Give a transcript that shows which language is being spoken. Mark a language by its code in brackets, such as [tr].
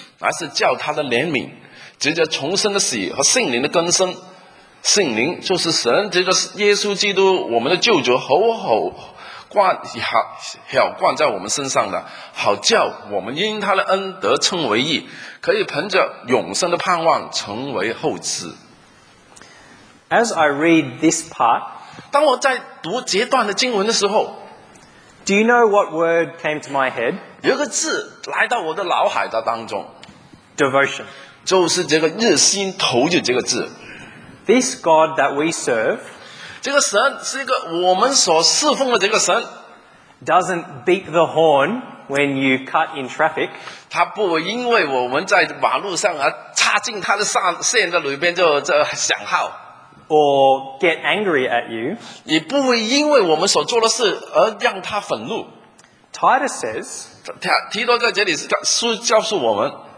[zh] 而是叫他的怜悯，藉着重生的喜和圣灵的更生，圣灵就是神，藉着耶稣基督我们的救主，好好灌在我们身上的，好叫我们因他的恩得称为义，可以凭着永生的盼望成为后嗣。 [en] As I read this part， [zh] 当我在读这段的经文的时候 [en] ，Do you know what word came to my head？ [zh] 有个字来到我的脑海的当中。 [en] Devotion. [zh] 就是这个热心投入这个字。 [en] This God that we serve, [zh] 这个神是一个我们所侍奉的这个神。 [en] Doesn't beat the horn when you cut in traffic. [zh] 他不因为我们在马路上啊插进他的线的里边就响号。 [en] Or get angry at you. [zh] 也不会因为我们所做的事而让他愤怒。 [en] Titus says, [zh] 提多在这里是告诉我们。